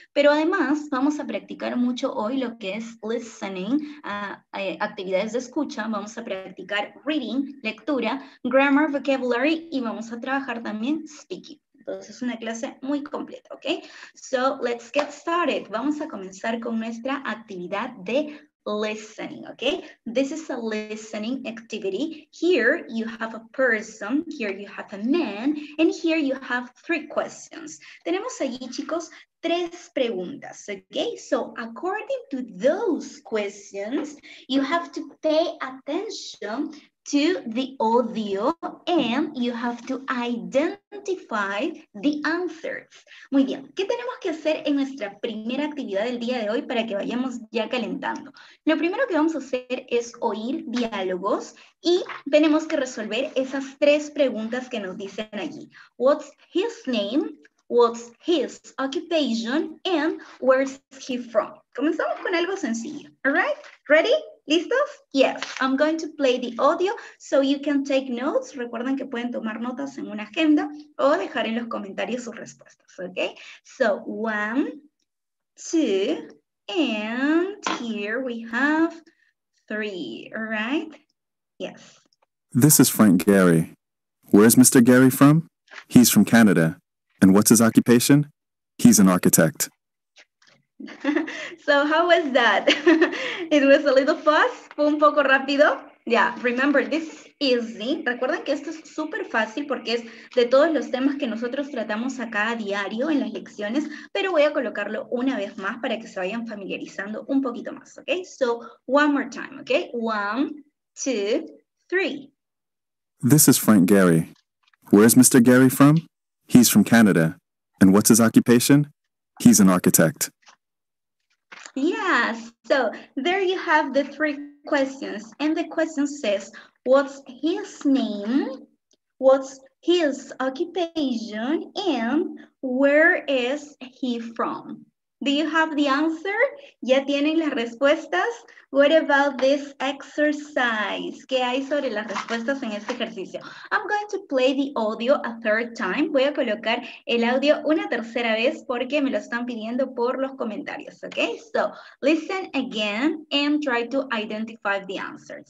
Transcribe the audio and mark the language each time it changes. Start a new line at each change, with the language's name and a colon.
Spanish: Pero además, vamos a practicar mucho hoy lo que es listening, actividades de escucha, vamos a practicar reading, lectura, grammar, vocabulary, y vamos a trabajar también speaking. Entonces es una clase muy completa, ¿ok?
English: So let's get started.
Spanish: Vamos a comenzar con nuestra actividad de listening, ¿ok?
English: This is a listening activity. Here you have a person, here you have a man, and here you have three questions.
Spanish: Tenemos allí, chicos, tres preguntas, ¿ok?
English: So according to those questions, you have to pay attention to the audio, and you have to identify the answers.
Spanish: Muy bien, ¿qué tenemos que hacer en nuestra primera actividad del día de hoy para que vayamos ya calentando? Lo primero que vamos a hacer es oír diálogos y tenemos que resolver esas tres preguntas que nos dicen allí.
English: What's his name? What's his occupation? And where's he from?
Spanish: Comenzamos con algo sencillo,
English: alright? Ready?
Spanish: ¿Listos?
English: Yes, I'm going to play the audio so you can take notes.
Spanish: Recuerden que pueden tomar notas en una agenda o dejar en los comentarios sus respuestas, ¿ok?
English: So, one, two, and here we have three, all right? Yes. This is Frank Gehry. Where's Mr. Gehry from? He's from Canada. And what's his occupation? He's an architect. So how was that? It was a little fast,
Spanish: fue un poco rápido.
English: Yeah, remember, this is easy.
Spanish: Recuerden que esto es súper fácil porque es de todos los temas que nosotros tratamos acá a diario en las lecciones, pero voy a colocarlo una vez más para que se vayan familiarizando un poquito más, ¿ok?
English: So, one more time, ¿ok? One, two, three. This is Frank Gehry. Where's Mr. Gehry from? He's from Canada. And what's his occupation? He's an architect. Yes, so there you have the three questions. And the question says, what's his name? What's his occupation? And where is he from? Do you have the answer?
Spanish: ¿Ya tienen las respuestas?
English: What about this exercise?
Spanish: ¿Qué hay sobre las respuestas en este ejercicio?
English: I'm going to play the audio a third time.
Spanish: Voy a colocar el audio una tercera vez porque me lo están pidiendo por los comentarios, okay?
English: So, listen again and try to identify the answer.